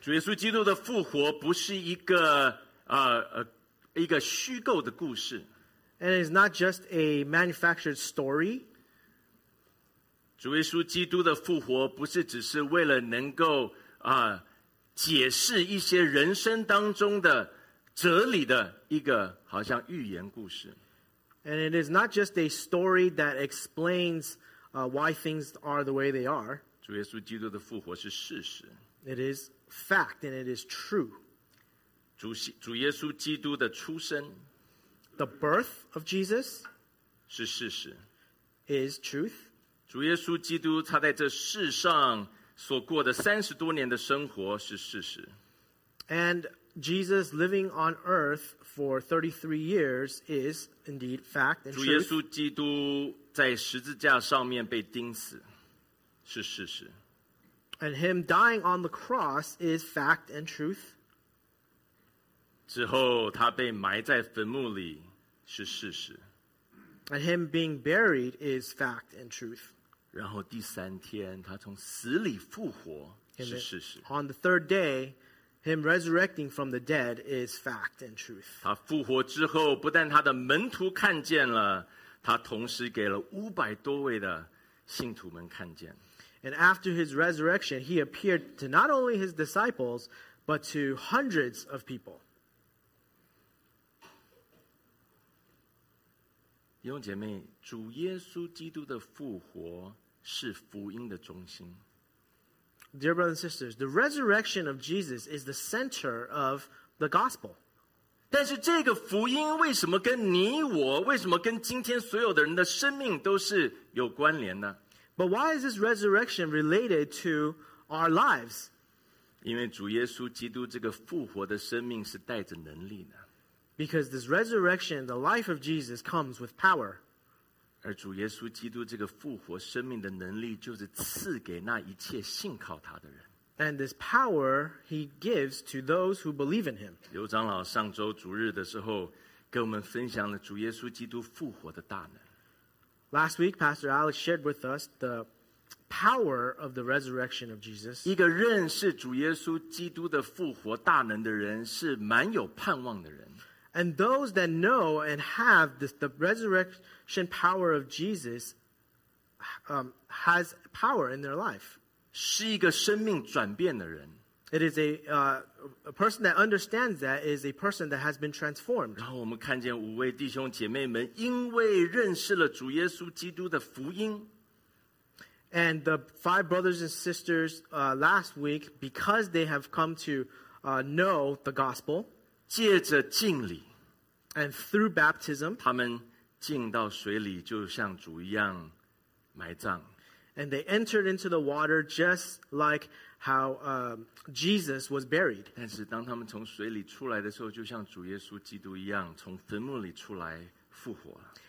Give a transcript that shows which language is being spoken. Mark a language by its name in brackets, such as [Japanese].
[Chinese] 主耶稣基督的复活不是一个一个虚构的故事。 [English] And it's not just a manufactured story. [Chinese] 主耶稣基督的复活不是只是为了能够解释一些人生当中的哲理的一个好像寓言故事。 [English] And it is not just a story that explains why things are the way they are. [Chinese] 主耶稣基督的复活是事实。 [English] It is fact and it is true. [Chinese] 主耶稣基督的出生。 [English] The birth of Jesus. [Chinese] 是事实。 [English] Is truth. [Chinese] 主耶稣基督他在这世上所过的三十多年的生活是事实。 [English] And Jesus living on earth for 33 years is indeed fact and truth. [Chinese] 主耶稣基督在十字架上面被钉死是事实。 [English] And him dying on the cross is fact and truth. [Chinese] 之后他被埋在坟墓里是事实。 [English] And him being buried is fact and truth. [Chinese] 然后第三天他从死里复活是事实。 [English] On the third day, him resurrecting from the dead is fact and truth. [Chinese] 他复活之后不但他的门徒看见了他同时给了五百多位的信徒们看见。 [English] And after his resurrection, he appeared to not only his disciples, but to hundreds of people. [Chinese] 弟兄姐妹，主耶稣基督的复活是福音的中心。 [English] Dear brothers and sisters, the resurrection of Jesus is the center of the gospel. [Chinese] 但是这个福音为什么跟你我，为什么跟今天所有的人的生命都是有关联呢？ [English] But why is this resurrection related to our lives? [Chinese] 因为主耶稣基督这个复活的生命是带着能力的。 [English] Because this resurrection, the life of Jesus, comes with power. [Chinese] 而主耶稣基督这个复活生命的能力就是赐给那一切信靠他的人。 [English] And this power he gives to those who believe in him. [Chinese] 刘长老上周主日的时候跟我们分享了主耶稣基督复活的大能。 [English] Last week, Pastor Alex shared with us the power of the resurrection of Jesus. [Chinese] 一个认识主耶稣基督的复活大能的人是蛮有盼望的人。 [English] And those that know and have the resurrection power of Jesus has power in their life. [Chinese] 是一个生命转变的人。 [English] It is a person that understands that is a person that has been transformed. [Chinese] 然后我们看见五位弟兄姐妹们因为认识了主耶稣基督的福音。 [English] And the five brothers and sisters last week, because they have come to know the gospel, [Chinese] 借着浸礼 [English] and through baptism, [Chinese] 他们浸到水里就像主一样埋葬 [English] and they entered into the water just like how Jesus was buried. [Chinese] 但是当他们从水里出来的时候就像主耶稣基督一样从坟墓里出来复活了